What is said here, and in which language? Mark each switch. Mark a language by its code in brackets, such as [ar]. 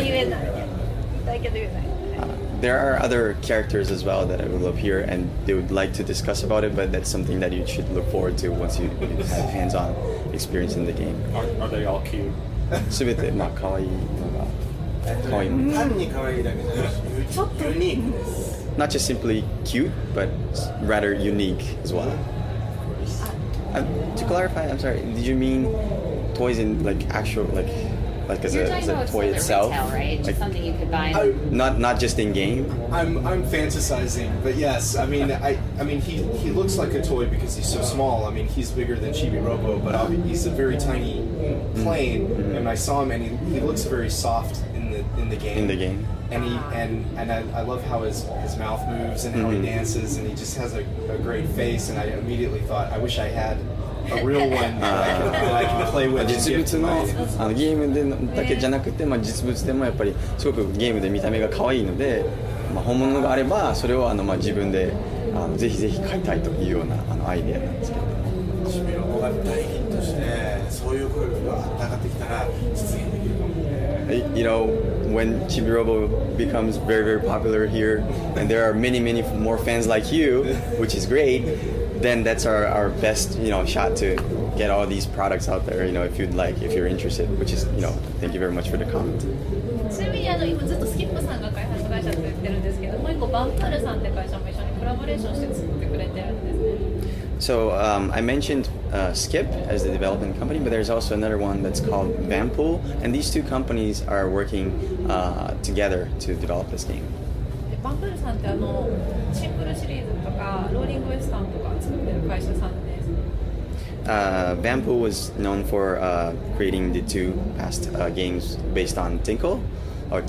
[ja] 他にもいるんだ。他にもいるんです。すっごい個性的な。言いたいけど言えない。言いたいけど言えない。 [en] There are other characters as well that will appear, and they would like to discuss about it, but that's something that you should look forward to once you have hands-on experience in the game. Are they all cute? [ja] すべてまあ可愛いのが可愛い。単に可愛いだけじゃなくて、ちょっとユニークです。 [en] Not just simply cute, but rather unique as well. To clarify, I'm sorry, did you mean toys in like actual, like as you're a, as a about toy itself? Retail, right? Like, something you could buy. Not just in game. I'm fantasizing, but yes, I mean he looks like a toy because he's so small. I mean, he's bigger than Chibi Robo, but he's a very tiny plane. Mm-hmm. And I saw him, and he looks very soft in the game. In the game. And I love how his mouth moves and how mm-hmm. he dances, and he just has a great face. And I immediately thought, I wish I had a real one that I can play with. [ja] 実物のゲームでだけじゃなくて、まあ実物でもやっぱりすごくゲームで見た目が可愛いので、まあ本物があればそれをまあ自分でぜひぜひ買いたいというようなアイデアなんですけど。シミロボが大ヒットしてそういう声が上がってきたら実現できるかも。 [en] You know, when Chibi Robo becomes very, very popular here, and there are many, many more fans like you, which is great, then that's our best, you know, shot to get all these products out there, you know, if you'd like, if you're interested, which is, you know, thank you very much for the comment. [ja] ちなみに今ずっとスキップさんが開発会社と言ってるんですけど、もう一個バンパルさんって会社も一緒にコラボレーションして作ってくれてるんですね。 [en] So I mentioned Skip as the development company, but there's also another one that's called Vampool, and these two companies are working together to develop this game. Vampool was known for creating the two past games based on Tingle, and